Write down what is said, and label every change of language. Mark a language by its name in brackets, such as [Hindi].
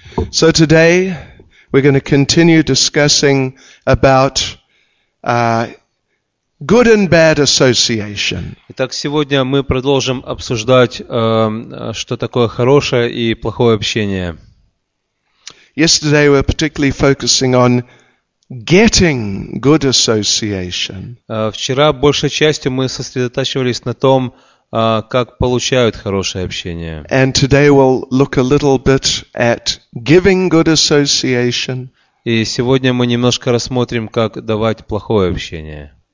[English] So today we're going to continue discussing about good and bad association. [Russian] Итак, сегодня мы продолжим обсуждать, что такое хорошее и плохое общение. [English] Yesterday we're particularly focusing on getting good association. [Russian] Вчера большей частью мы сосредотачивались на том, как получают хорошее общение. [English] And today we'll look a little bit at giving good association. [Russian] И сегодня мы немножко рассмотрим, как давать плохое общение.